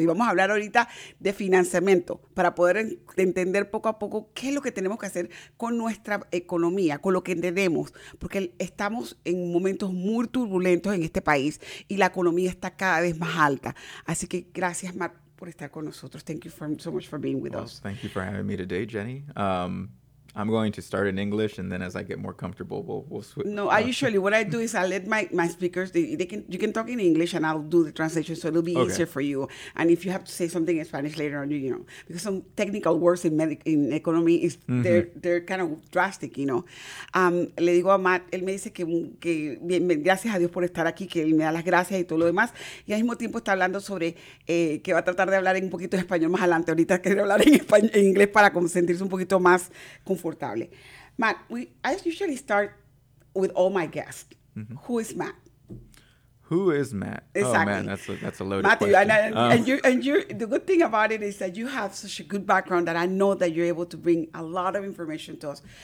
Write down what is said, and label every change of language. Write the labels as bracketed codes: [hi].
[es] Y vamos a hablar ahorita de financiamiento para poder entender poco a poco qué es lo que tenemos que hacer con nuestra economía, con lo que tenemos, porque estamos en momentos muy turbulentos en este país y la economía está cada vez más alta. Así que gracias, Matt, por estar con nosotros. [en] Thank you so much for being with us. Thank you for having me today, Jenny. I'm going to start in English, and then as I get more comfortable, we'll switch. No, usually what I do is I let my speakers, you can talk in English, and I'll do the translation, so it'll be easier for you. And if you have to say something in Spanish later on, you know, because some technical words in economy is they're kind of drastic, you know. [es] Le digo a Matt, él me dice que gracias a Dios por estar aquí, que él me da las gracias y todo lo demás, y al mismo tiempo está hablando sobre que va a tratar de hablar un poquito de español más adelante. Ahorita quiere hablar en inglés para sentirse un poquito más comfortable. [en] Matt, I usually start with all my guests. Mm-hmm. Who is Matt? Who is Matt? Exactly. Oh man, that's a loaded question. The good thing about it is that you have such a good background that I know that you're able to bring a lot of information to us.